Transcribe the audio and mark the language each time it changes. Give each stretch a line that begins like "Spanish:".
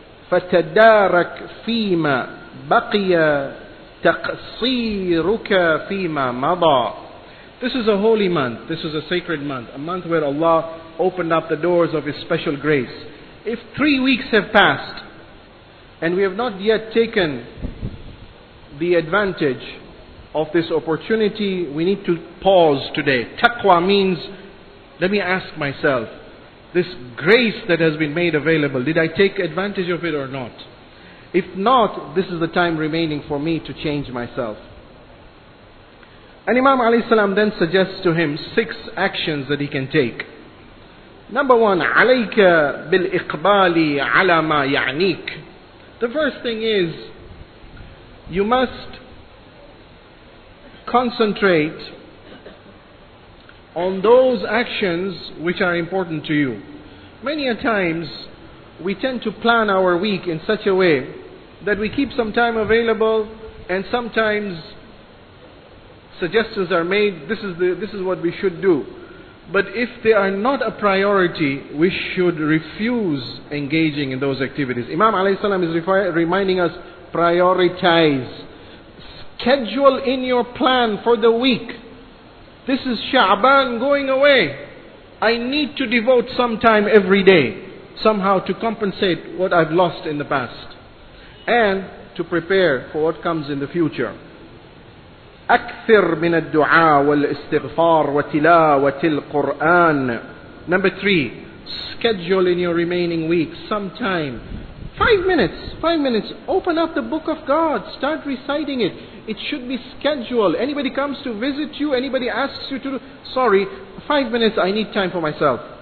Arabic: فتدارك فيما بقي تقصيرك فيما مضى.
English: This is a holy month. This is a sacred month. A month where Allah opened up the doors of His special grace. If 3 weeks have passed and we have not yet taken the advantage of this opportunity, we need to pause today. Taqwa means, let me ask myself, this grace that has been made available, did I take advantage of it or not? If not, this is the time remaining for me to change myself. And Imam alayhi salam then suggests to him 6 actions that he can take. Number one,
Arabic: عَلَيْكَ بِالْإِقْبَالِ عَلَى مَا يَعْنِيكَ.
English: The first thing is, you must concentrate on those actions which are important to you. Many a times, we tend to plan our week in such a way that we keep some time available, and sometimes suggestions are made, this is what we should do. But if they are not a priority, we should refuse engaging in those activities. Imam alayhi salam is reminding us, prioritize. Schedule in your plan for the week. This is Sha'ban going away. I need to devote some time every day somehow to compensate what I've lost in the past and to prepare for what comes in the future.
Arabic: أكثر من الدعاء والاستغفار وتلاوة القرآن.
English: Number 3, schedule in your remaining week some time. 5 minutes. Open up the book of God. Start reciting it. It should be scheduled. Anybody comes to visit you, anybody asks you to do, sorry, 5 minutes, I need time for myself.